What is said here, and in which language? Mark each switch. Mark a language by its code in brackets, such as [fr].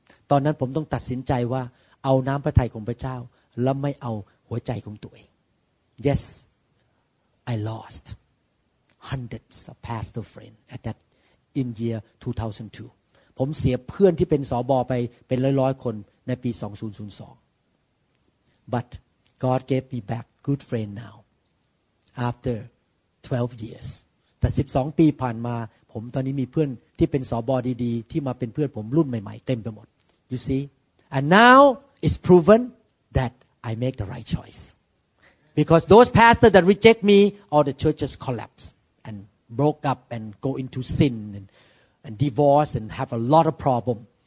[th] ตอนนั้นผมต้องตัดสินใจว่าเอาน้ำพระทัยของพระเจ้าและไม่เอาหัวใจของตัวเอง [en] Yes, I lost hundreds of pastor friends at that in year 2002. [th] ผมเสียเพื่อนที่เป็นสบไปเป็นร้อยๆคนในปี2002. [en] But God gave me back good friends now after 12 years. [th] แต่12ปีผ่านมาผมตอนนี้มีเพื่อนที่เป็นสบดีๆที่มาเป็นเพื่อนผมรุ่นใหม่ๆเต็มไปหมด [en] You see and now it's proven that I make the right choice because those pastors that reject me all the churches collapse and broke up and go into sin and divorce and have a lot of problem